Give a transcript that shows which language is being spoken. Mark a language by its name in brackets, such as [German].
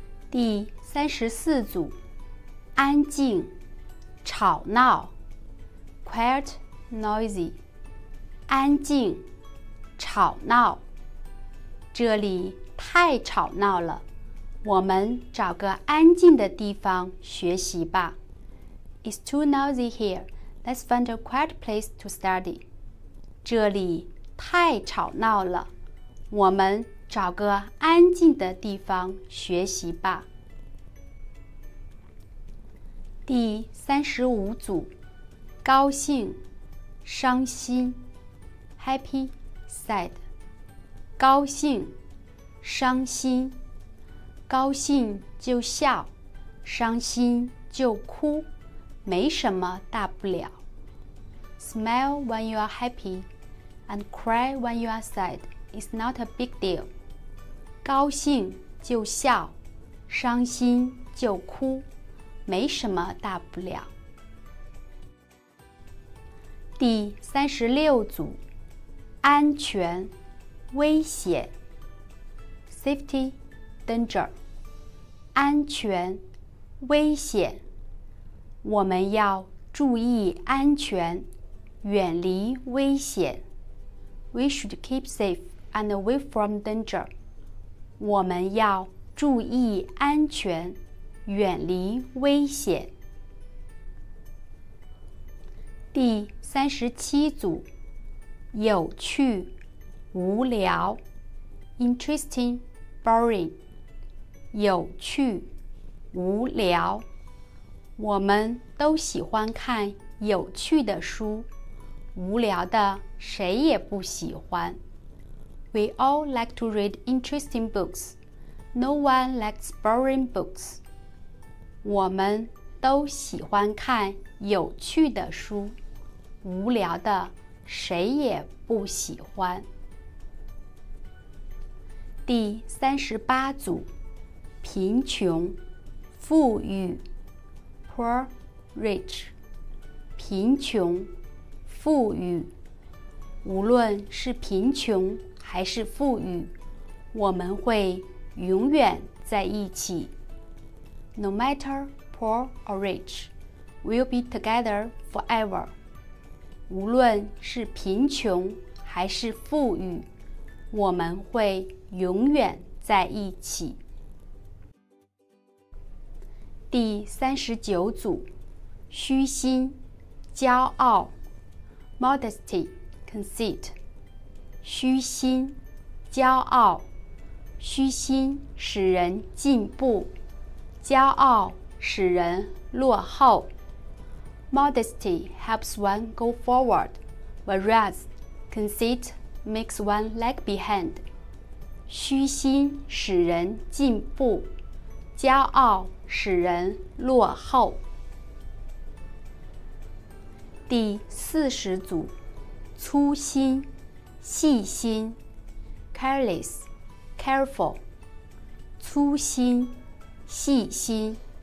[Chinese] 第三十四组，安静，吵闹。 [English] Quiet, noisy. [Chinese] 安静，吵闹。这里太吵闹了，我们找个安静的地方学习吧。 [English] It's too noisy here. Let's find a quiet place to study. [Chinese] 这里太吵闹了，我们找个安静的地方学习吧。第三十五组，高兴，伤心 ， [English] happy, sad。 [Chinese] 高兴，伤心。高兴就笑，伤心就哭，没什么大不了。 [English] Smile when you are happy, and cry when you are sad is not a big deal. [Chinese] 高兴就笑，伤心就哭，没什么大不了。第三十六组，安全，危险 ， [English] safety, danger， [Chinese] 安全，危险。我们要注意安全，远离危险。 [English] We should keep safe and away from danger. [Chinese] 我们要注意安全，远离危险。第三十七组，有趣，无聊 ， [English] interesting, boring， [Chinese] 有趣，无聊。我们都喜欢看有趣的书，无聊的谁也不喜欢。 [English] We all like to read interesting books. No one likes boring books. [Chinese] 我们都喜欢看有趣的书，无聊的谁也不喜欢。第三十八组，贫穷，富裕 ， [English] poor, rich， [Chinese] 贫穷，富裕。无论是贫穷还是富裕，我们会永远在一起。 [English] No matter poor or rich, we'll be together forever. [Chinese] 无论是贫穷还是富裕，我们会永远在一起。第三十九组，虚心，骄傲 ， [English] modesty, conceit， [Chinese] 虚心，骄傲，虚心使人进步，骄傲使人落后。 [English] Modesty helps one go forward, whereas conceit makes one lag behind. [Chinese] 虚心使人进步，骄傲使人落后。第四十组，粗心，细心 ， [English] careless, careful， [Chinese] 粗心，细心。